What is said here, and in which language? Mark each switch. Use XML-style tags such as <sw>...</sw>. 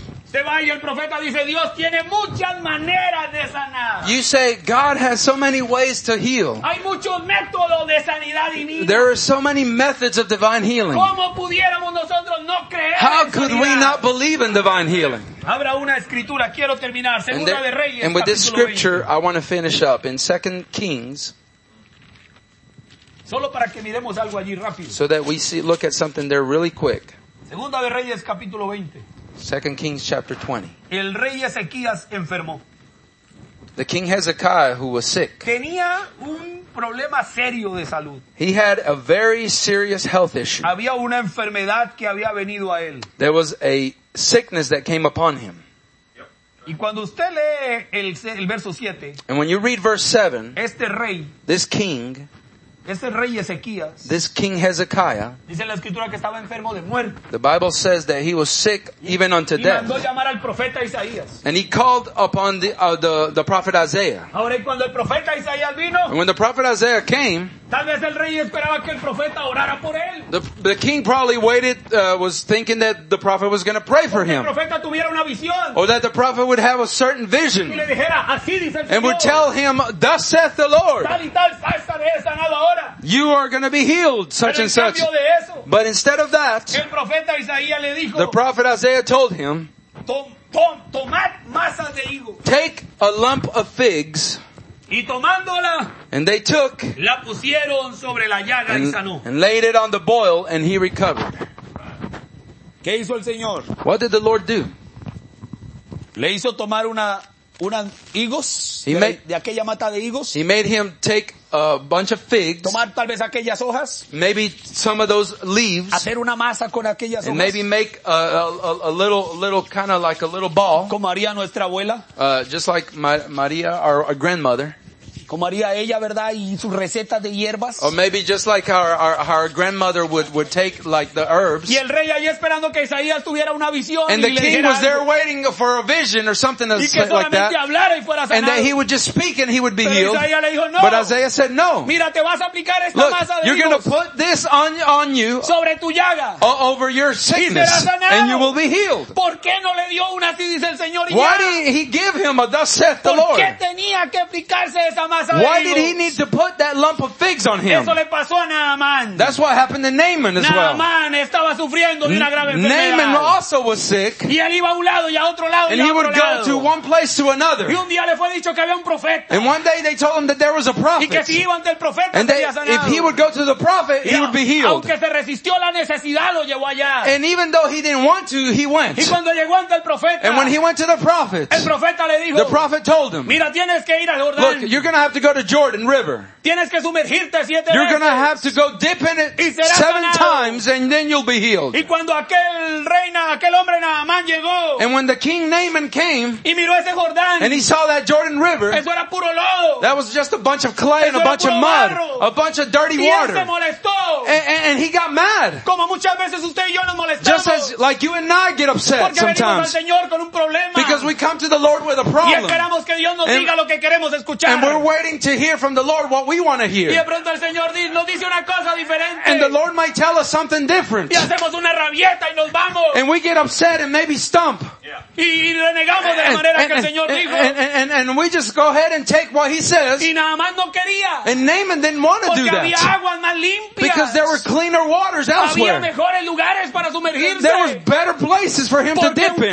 <es>Se va y el profeta dice, Dios tiene muchas maneras de sanar.</es> <en>You say, God has so many ways to heal.</en> <es>Hay muchos métodos de sanidad divina.</es> <en>There are so many methods of divine healing.</en> <es>¿Cómo pudiéramos nosotros no creer?</es> <en>How could we not believe in divine healing?</en> <es>Habrá una escritura, quiero terminar. Segunda de Reyes.</es> <en>And with this scripture, I want to finish up. In 2 Kings.</en> <es>Solo para que miremos algo allí rápido.</es> <en>So that we see, look at something there really quick.</en> <es>Segunda de Reyes, capítulo 20.</es> <en>2 Kings chapter 20.</en> <es>El rey Ezequías enfermó.</es> <en>The king Hezekiah, who was sick.</en> <es>Tenía un problema serio de salud.</es> <en>He had a very serious health issue.</en> <es>Había una enfermedad que había venido a él.</es> <en>There was a sickness that came upon him.</en> <es>Y cuando usted lee el verso 7,</es> <en>and when you read verse 7,</en> <es>este rey,</es> <en>this king,</en> <es>Este rey Ezequías,</es> <en>this King Hezekiah,</en> <es>dice la escritura que estaba enfermo de muerte.</es> <en>The Bible says that he was sick even unto death.</en> <es>Y mandó llamar al profeta Isaías.</es> <en>And he called upon the prophet Isaiah.</en> <es>Ahora, cuando el profeta Isaías vino,</es> <en>and when the prophet Isaiah came,</en> <es>tal vez el rey esperaba que el profeta orara por él.</es> <en>The king probably waited, was thinking that the prophet was going to pray for him.</en> <es>O que el profeta tuviera una visión.</es> <en>Or that the prophet would have a certain vision.</en> <es>Y le dijera, así dice el Señor.</es> <en>And would tell him, thus saith the Lord.</en> <es>Tal y tal, tal, tal, tal, tal, tal, ahora.</es> <en>You are going to be healed, such</en> <es>pero</es> <en>and such.</en> <es>De eso,</es> <en>but instead of that,</en> <es>el profeta Isaías le dijo,</es> <en>the prophet Isaiah told him,</en> <es>tomad masa de higo.</es> <en>Take a lump of figs.</en> <es>Y tomándola,</es> <en>and they took</en> <es>la pusieron sobre la llaga</es> <en>and,</en> <es>y sanó.</es> <en>And laid it on the boil and he recovered.</en> <es>¿Qué hizo el Señor?</es> <en>What did the Lord do?</en> <es>Le hizo tomar una higos de aquella mata de higos.</es> <en>He made him take a bunch of figs.</en> <es>Tomar tal vez aquellas hojas.</es> <en>Maybe some of those leaves.</en> <es>Hacer una masa con aquellas hojas.</es> <en>And maybe make a little kind of like a little ball.</en> <es>Como haría nuestra abuela.</es> <en>Just like María, our grandmother.</en> <es>Como haría ella, ¿verdad? Y sus recetas de hierbas.</es> <en>Or maybe just like our grandmother would take like the herbs.</en> <es>Y el rey allí esperando que Isaías tuviera una visión.</es> <en>And the king was there waiting for a vision or something like that.</en> <es>Y que solamente hablara y fuera sanado.</es> <en>And that he would just speak and he would be healed.</en> <es>Pero Isaías le dijo, no.</es> <en>But Isaiah said no.</en> <es>Mira, te vas a aplicar esta</es> <en>Look,</en> <es>masa de</es> <en>you're going to put this on you.</en> <es>Sobre tu llaga.</es> <en>Over your sickness.</en> <es>Y será sanado.</es> <en>And you will be healed.</en> <es>¿Por qué no le dio una así dice el Señor y</es> <en>Why</en> <es>ya?</es> <en>Did he give him a thus saith the Lord?</en> <es>¿Por qué tenía que aplicarse esa masa?</es> <en>Why did he need to put that lump of figs on him?</en> <es>Eso le pasó a Naaman.</es> <en>That's what happened to Naaman as well.</en> <es>Naaman estaba sufriendo de una grave</es> <en>enfermedad. Naaman also was sick.</en> <es>Y él iba a un lado y a otro lado.</es> <en>And he would go to one place to another.</en> <es>Y un día le fue dicho que había un profeta.</es> <en>And one day they told him that there was a prophet.</en> <es>Y que si iba ante el profeta sería sanado.</es> <en>If he would go to the prophet, he would be healed.</en> <es>Aunque se resistió la necesidad, lo llevó allá.</es> <en>And even though he didn't want to, he went.</en> <es>Y cuando llegó ante el profeta.</es> <en>And when he went to the prophet,</en> <es>el profeta le dijo,</es> <en>the prophet told him,</en> <es>mira, tienes que ir al Jordán.</es> <en>Look, you're going to have to go to Jordan River.</en> <es>Tienes que sumergirte siete veces.</es> <en>You're gonna have to go dip in it seven times and then you'll be healed.</en> <es>Y cuando aquel reina, aquel hombre Naaman llegó,</es> <en>and when the king Naaman came,</en> <es>y miró ese Jordán,</es> <en>and he saw that Jordan River,</en> <es>eso era puro lodo.</es> <en>That was just a bunch of clay</en> <es>eso</es> <en>and a bunch of mud,</en> <es>barro.</es> <en>A bunch of dirty</en> <es>y</es> <en>water.</en> <es>Se molestó.</es> <en>And he got mad.</en> <es>Como muchas veces usted y yo nos molestamos.</es> <en>Just as like you and I get upset</en> <es>porque</es> <en>sometimes.</en> <es>Venimos al Señor con un problema.</es> <en>Because we come to the Lord with a problem.</en> <es>Y esperamos que Dios nos diga lo que queremos escuchar.</es> <en>And we're waiting to hear from the Lord what we want to hear.</en> <es>Y de pronto el Señor nos dice una cosa diferente.</es> <en>And the Lord might tell us something different.</en> <es>Y hacemos una rabieta y nos vamos.</es> <en>And we get upset and maybe stump. Yeah.</en> <es>Y renegamos de la manera que el Señor dijo.</es> <en>And we just go ahead and take what he says.</en> <es>Y Naaman no quería.</es> <en>And Naaman didn't want to do that.</en> <es>Porque había aguas más limpias.</es> <en>Because there were cleaner waters elsewhere.</en> <es>Había mejores lugares para sumergirse.</es> <en>There was better places for him to dip in.</en>